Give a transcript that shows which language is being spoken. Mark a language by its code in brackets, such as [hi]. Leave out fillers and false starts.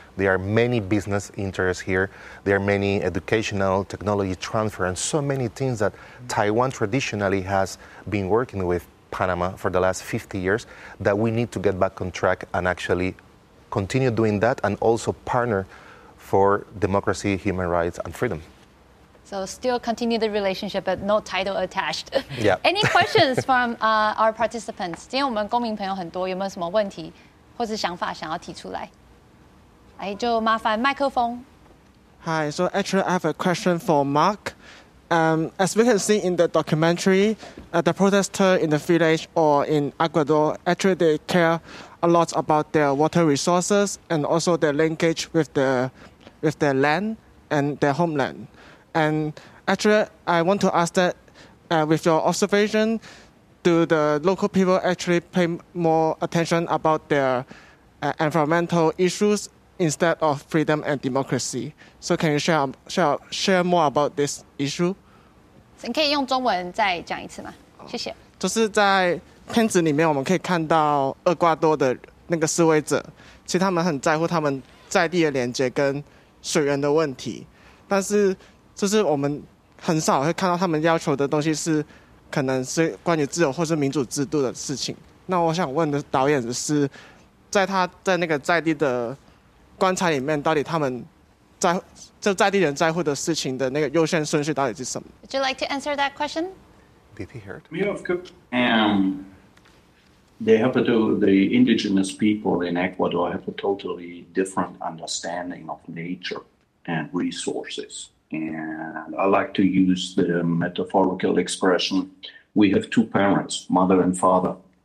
[en] There are many business interests here. There are many educational technology transfer and so many things that Taiwan traditionally has been working with Panama for the last 50 years that we need to get back on track and actually continue doing that and also partner for democracy, human rights and freedom. So still continue the relationship, but no title attached. Yeah. Any questions from our participants? [zh] 今天我们公民朋友很多，有没有什么问题或是想法想要提出来？哎，就麻烦麦克风。 [en] Hi. So actually, I have a question for Mark. As we can see in the documentary, the protester in the village or in Ecuador actually they care a lot about their water resources and also their linkage with their land and their homeland. And actually, I want to ask that, with your observation, do the local people actually pay more attention about their environmental issues instead of freedom and democracy? So can you share more about this issue? [zh] 你可以用中文再讲一次吗？谢谢。就是在片子里面，我们可以看到厄瓜多的那个示威者，其实他们很在乎他们在地的连接跟水源的问题，但是。就是我们很少会看到他们要求的东西是可能是关于自由或是民主制度的事情。那我想问的导演是在他在那个在地的观察里面到底他们在就在地人在乎的事情的那个优先顺序到底是什么 [en] Would you like to answer that question? BP heard. Yeah, of course. They have to, the indigenous people in Ecuador have a totally different understanding of nature and resources. And I like to use the metaphorical expression, we have two parents, mother and father.